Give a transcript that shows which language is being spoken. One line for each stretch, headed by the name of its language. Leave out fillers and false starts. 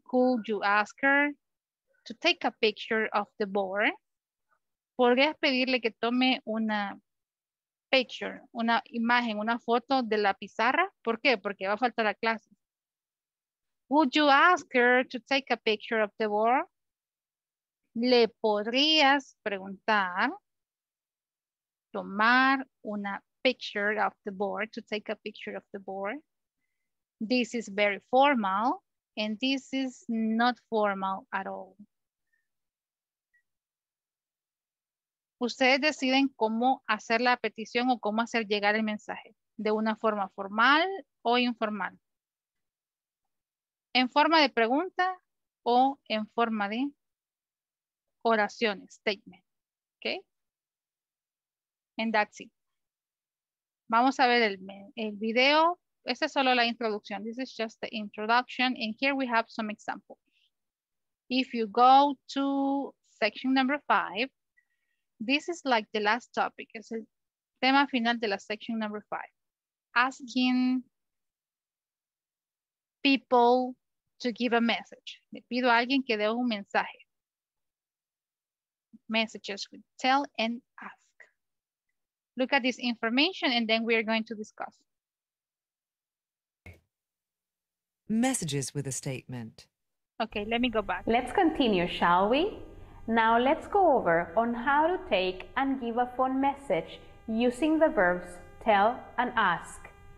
English: Could you ask her to take a picture of the board?
Spanish: ¿Podrías pedirle que tome una picture, una imagen, una foto de la pizarra? ¿Por qué? Porque va a faltar la clase.
English: Would you ask her to take a picture of the board?
Spanish: ¿Le podrías preguntar tomar una
English: picture of the board, to take a picture of the board. This is very formal, and this is not formal at all.
Spanish: Ustedes deciden cómo hacer la petición o cómo hacer llegar el mensaje, de una forma formal o informal. En forma de pregunta o en forma de oraciones,
English: statement. Okay? And that's it.
Spanish: Vamos a ver el video. Esta es solo la introducción.
English: This is just the introduction. And here we have some examples. If you go to section number 5, this is like the last topic.
Spanish: Es el tema final de la
English: section number 5. Asking people to give a message.
Spanish: Le pido a alguien que dé un mensaje.
English: Messages with tell and ask. Look at this information and then we are going to discuss. Messages with a statement. Okay, let me go back. Let's continue, shall we? Now let's go over on how to take and give a phone message using the verbs tell and ask.